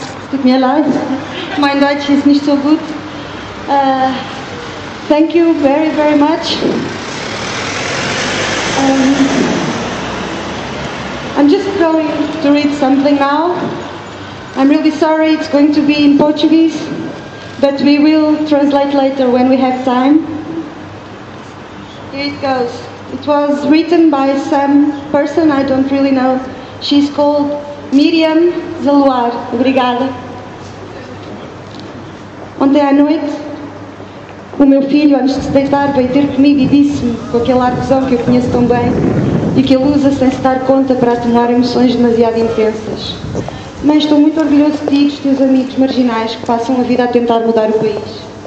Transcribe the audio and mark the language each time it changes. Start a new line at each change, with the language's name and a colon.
German: Tut mir leid, mein Deutsch ist nicht so gut.
English: Thank you very, very much. I'm just going to read something now. I'm really sorry, it's going to be in Portuguese, but we will translate later when we have time. Here it goes. It was written by some person, I don't really know. She's called Miriam Zaluar.
Portuguese: Obrigada. Ontem à noite, o meu filho, antes de se deitar, veio ter comigo e disse-me, com aquele ar de visão que eu conheço tão bem e que ele usa sem se dar conta para atenuar emoções demasiado intensas. Mãe, estou muito orgulhoso de ti e dos teus amigos marginais que passam a vida a tentar mudar o país.